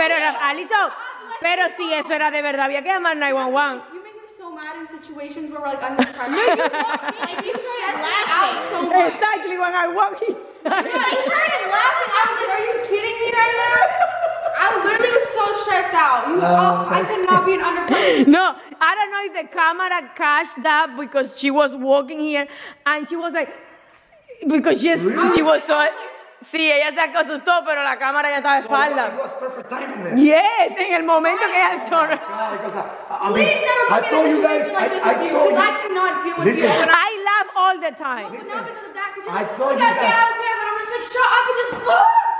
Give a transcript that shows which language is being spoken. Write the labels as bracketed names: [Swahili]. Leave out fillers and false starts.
[Spanish] Pero, Alito, pero si eso era de verdad, había que llamar 911. [English] You make me so mad in situations where we're like under pressure. No, you walked in and you started laughing. Exactly when I walked in. Yeah, you started laughing. I was like, are you kidding me right now? I literally was so stressed out. I could not be an undercover. No, I don't know if the camera catched that because she was walking here and she was like, because she was so. [Spanish] Sí, ella se asustó, pero la cámara ya estaba de espalda. [English] So, it was perfect timing then. [Spanish] Yes, en el momento que ella [English] turned. Please never put me in a situation like this with you, because I cannot deal with you. Listen, I laugh all the time. Listen, but not because of that, because you're like, okay, but I'm just like, shut up and just look.